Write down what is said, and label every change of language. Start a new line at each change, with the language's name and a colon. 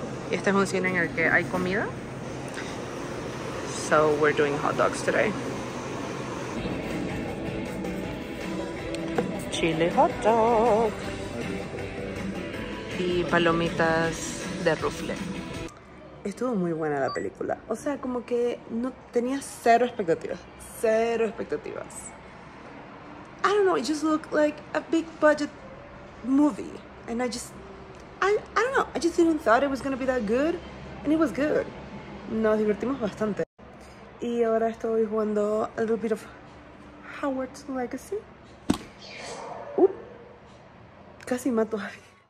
Spanish: Y este es un cine en el que hay comida.
English: So we're doing hot dogs today. Chili hot dog.
Spanish: Y palomitas de rufle. Estuvo muy buena la película. O sea, como que no tenía cero expectativas. Cero expectativas.
English: I don't know, it just looked like a big budget movie. And I don't know, I just didn't thought it was gonna be that good. And it was good.
Spanish: Nos divertimos bastante. Y ahora estoy jugando a
English: little bit of
Spanish: Howard's Legacy. Casi mato a alguien.